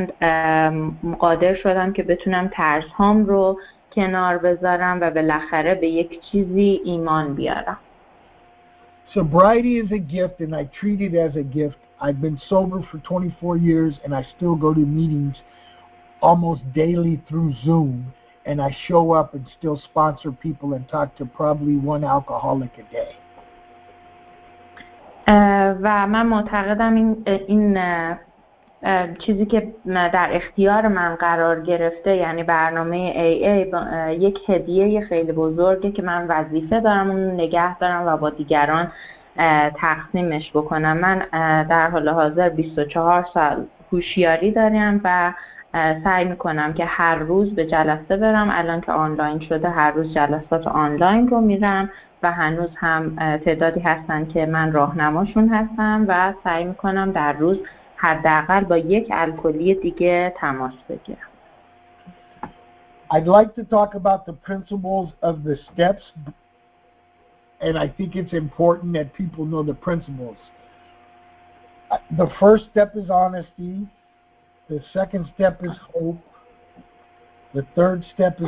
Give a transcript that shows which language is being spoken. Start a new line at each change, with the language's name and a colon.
Persian: من قادر شدم که بتونم ترس هام رو کنار بذارم و بالاخره به یک چیزی ایمان بیارم.
English: Sobriety is a gift and I treat it as a gift. I've been sober for 24 years and I still go to meetings almost daily through Zoom and I show up and still sponsor people and talk to probably one alcoholic a day.
Persian: و من معتقدم این چیزی که در اختیار من قرار گرفته، یعنی برنامه AA، یک هدیه خیلی بزرگه که من وظیفه دارم اون نگه دارم و با دیگران تقسیمش بکنم. من در حال حاضر 24 سال هوشیاری دارم و سعی میکنم که هر روز به جلسه برم. الان که آنلاین شده هر روز جلسات آنلاین رو میرم و هنوز هم تعدادی هستن که من راهنماشون هستم و سعی میکنم در روز حداقل با یک الکلی دیگه تماس بگیرم.
English: I'd like to talk about the principles of the steps and I think it's important that people know the principles. The first step is honesty. The second step is hope. The third step is